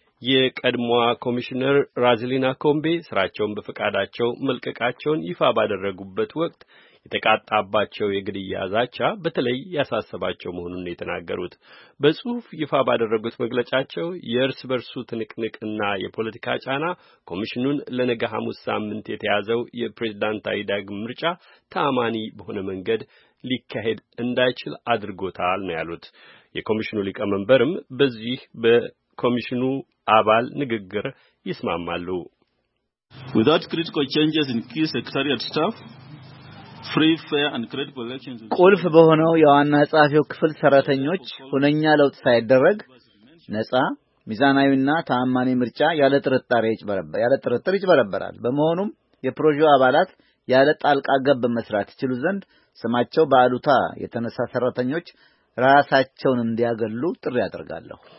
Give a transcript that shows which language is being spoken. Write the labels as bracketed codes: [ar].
[am] የቀድሞዋ ኮሚሽነር ራዝሊና ኮምቤ ስራቸውን በፈቃዳቸው መልቀቃቸውን ይፋ ባደረጉበት ወቅት የተቃጣባቸው የግድያ ዛቻ በተለይ ያሳሰባቸው መሆኑን የተናገሩት በጽሑፍ ይፋ ባደረጉት መግለጫቸው የእርስ በርሱ ትንቅንቅና የፖለቲካ ጫና ኮሚሽኑን ለነገ ሐሙስ ሳምንት የተያዘው የፕሬዝዳንታዊ ዳግም ምርጫ ተአማኒ በሆነ መንገድ ሊካሄድ እንዳይችል አድርጎታል ነው ያሉት። የኮሚሽኑ ሊቀመንበርም በዚህ በኮሚሽኑ አባል ንግግር ይስማማሉ። [en] Without critical changes in key secretariat staff, free, fair and credible elections. [am] ቁልፍ በሆነው የዋና ጸሐፊው ክፍል ሰራተኞች ሁነኛ ለውጥ ሳይደረግ ነጻ ሚዛናዊና ታማኒ ምርጫ ያለ ጥርጥር ይጭበረበራል። በመሆኑም የፕሮጀክቱ አባላት ያለ ጣልቃ ገብ መስራት ይችሉ ዘንድ ስማቸው ባሉታ የተነሳ ሰራተኞች ራሳቸውን እንዲያገሉ ጥሪ አደርጋለሁ።